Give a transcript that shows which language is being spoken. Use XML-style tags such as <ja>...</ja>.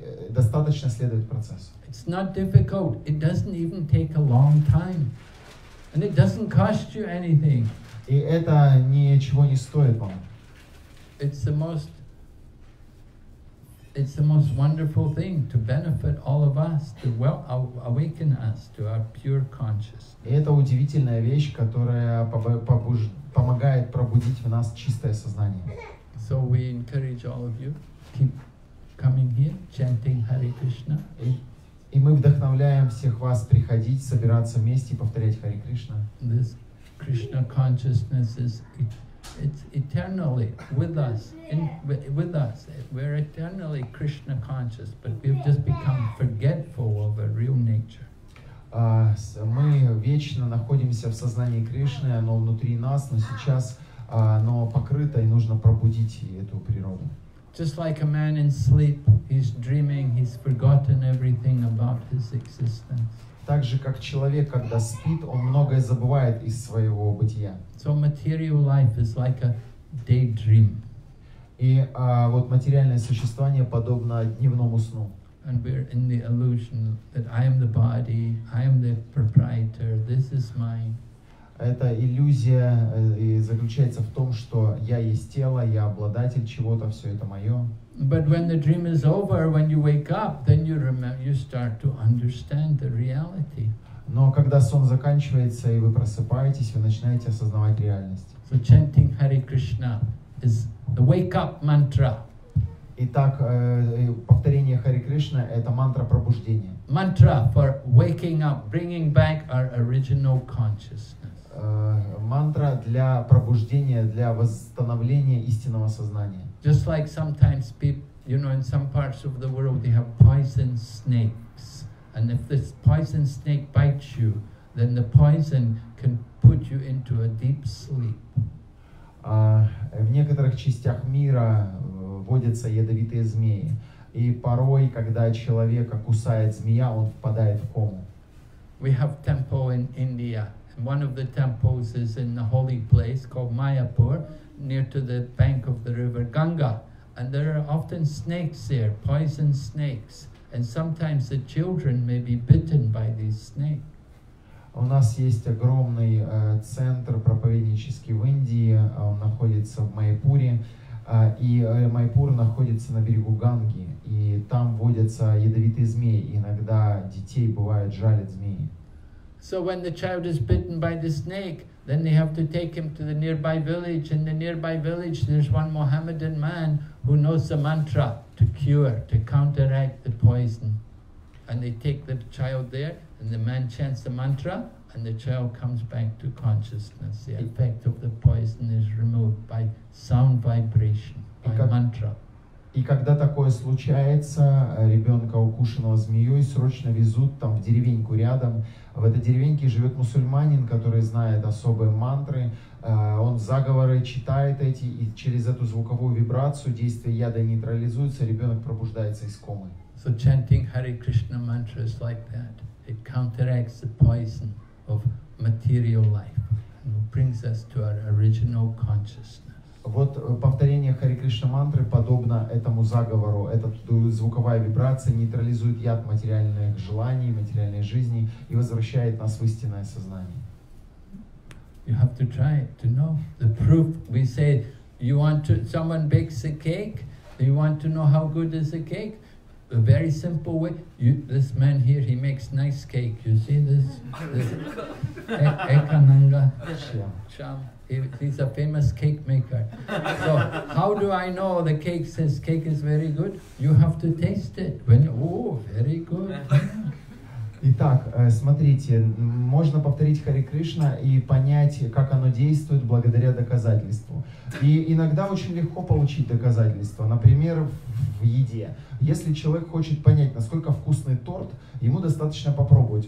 <ru>Достаточно следовать процессу.</ru> <en>It's not difficult. It doesn't even take a long time. And it doesn't cost you anything.</en> <ru>И это ничего не стоит вам.</ru> <en>It's the most wonderful thing to benefit all of us, to awaken us to our pure consciousness.</en> <ru>Это удивительная вещь, которая помогает пробудить в нас чистое сознание.</ru> <en>So we encourage all of you keep coming here, chanting Hare Krishna.</en> <ru>И мы вдохновляем всех вас приходить, собираться вместе, повторять Харе Кришна.</ru> <en>This Krishna consciousness is. It's eternally with us, with us. We're eternally Krishna conscious, but we've just become forgetful of our real nature.</en> <ru>Мы вечно находимся в сознании Кришны, оно внутри нас, но сейчас оно покрыто, и нужно пробудить эту природу.</ru> <en>Just like a man in sleep, he's dreaming, he's forgotten everything about his existence.</en> <ru>Так же, как человек, когда спит, он многое забывает из своего бытия.</ru> <en>So material life is like a daydream.</en> <ru>И вот материальное существование подобно дневному сну.</ru> <en>And we're in the illusion that I am the body, I am the proprietor, this is mine.</en> <ru>Эта иллюзия заключается в том, что я есть тело, я обладатель чего-то, все это мое.</ru> <en>But when the dream is over, when you wake up, then you remember, you start to understand the reality.</en> <ru>Но когда сон заканчивается и вы просыпаетесь, вы начинаете осознавать реальность.</ru> <en>So chanting Hare Krishna is the wake-up mantra.</en> <ru>Итак, повторение Харе Кришна – это мантра пробуждения.</ru> <en>Mantra for waking up, bringing back our original consciousness.</en> <ru>Мантра для пробуждения, для восстановления истинного сознания.</ru> <en>Just like sometimes people, you know, in some parts of the world, they have poison snakes. And if this poison snake bites you, then the poison can put you into a deep sleep.</en> <ru>В некоторых частях мира водятся ядовитые змеи. И порой, когда человека кусает змея, он впадает в кому.</ru> <en>We have temple in India. One of the temples is in the holy place called Mayapur, near to the bank of the river Ganga. And there are often snakes there, poison snakes. And sometimes the children may be bitten by these snakes.</en> <ru>У нас есть огромный центр проповеднический в Индии. Он находится в Майпуре. И Майпур находится на берегу Ганги. И там водятся ядовитые змеи. Иногда детей бывает жалят змеи.</ru> <en>So when the child is bitten by the snake, then they have to take him to the nearby village. In the nearby village, there's one Mohammedan man who knows the mantra to cure, to counteract the poison. and they take the child there, and the man chants the mantra, and the child comes back to consciousness. The effect of the poison is removed by sound vibration, by mantra.</en> <ru>И когда такое случается, ребенка, укушенного змеей, срочно везут там в деревеньку рядом. В этой деревеньке живет мусульманин, который знает особые мантры. Он заговоры читает эти, и через эту звуковую вибрацию действие яда нейтрализуется, ребенок пробуждается из комы.</ru> <en>So chanting Hare Krishna mantra is like that. It counteracts the poison of material life and brings us to our original consciousness.</en> <ru>Вот повторение Хари Кришна мантры подобно этому заговору. Эта звуковая вибрация нейтрализует яд материальных желаний, материальной жизни и возвращает нас в истинное сознание.</ru> <en>You have to try it to know the proof. We say, you want to, someone bakes a cake, you want to know how good is the cake? A very simple way. You, this man here, he makes nice cake. You see this? Ekananga Sham. He's a famous cake maker. So how do I know the cake says cake is very good? You have to taste it. When oh, very good.</en> <ru>Итак, смотрите, можно повторить Хари Кришна и понять, как оно действует благодаря доказательству. И иногда очень легко получить доказательство, например, в еде. Если человек хочет понять, насколько вкусный торт, ему достаточно попробовать.</ru>